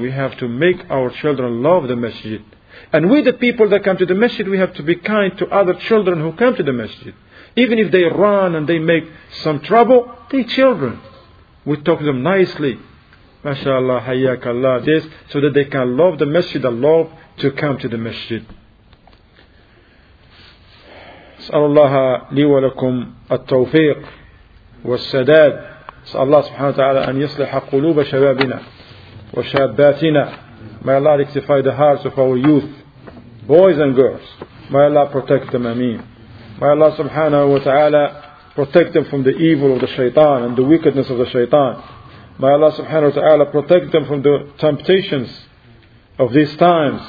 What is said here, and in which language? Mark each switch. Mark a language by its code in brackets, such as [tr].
[en] We have to make our children love the masjid. And we the people that come to the masjid, we have to be kind to other children who come to the masjid. Even if they run and they make some trouble, they're children. We talk to them nicely. MashaAllah, hayyakallah, this, so that they can love the masjid and love to come to the masjid. [ar] أسأل الله لي ولكم التوفيق والسداد. أسأل الله سبحانه وتعالى أن يصلح قلوب شبابنا وشاباتنا. [en] May Allah rectify the hearts of our youth, boys and girls. May Allah protect them, ameen. May Allah subhanahu wa ta'ala protect them from the evil of the shaitan and the wickedness of the shaitan. May Allah subhanahu wa ta'ala protect them from the temptations of these times.